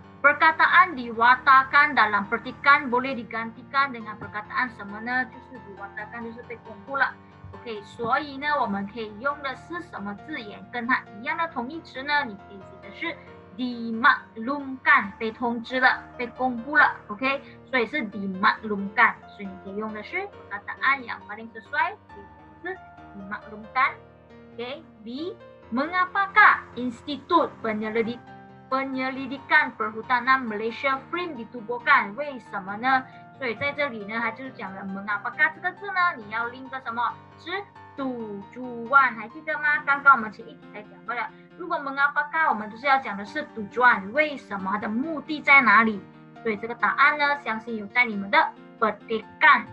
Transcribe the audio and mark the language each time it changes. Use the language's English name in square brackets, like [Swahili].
[Malay] Perkataan diwatakan dalam petikan boleh digantikan dengan perkataan [Chinese] 什么呢？就是diwatakan就是被公布了。OK， 所以呢，我们可以用的是什么字眼？跟它一样的同义词呢？你可以写的是 dimaklumkan， 被通知了，被公布了。 OK， 所以是 dimaklumkan， 所以你可以用的是 [Malay] perkataan yang paling sesuai [Chinese] 是 dimaklumkan。 [Malay] OK， B， mengapakah institut penyelidikan perhutanan Malaysia frame ditubuhkan， [Chinese] 为什么呢？所以在这里呢，他就讲了 mengapakah 这个字呢，你要link个什么是 tujuan， 还记得吗？刚刚我们前一集才讲过了，如果 mengapakah 我们就是要讲的是 tujuan， 为什么，它的目的在哪里？所以这个答案呢，相信有在你们的 petikan。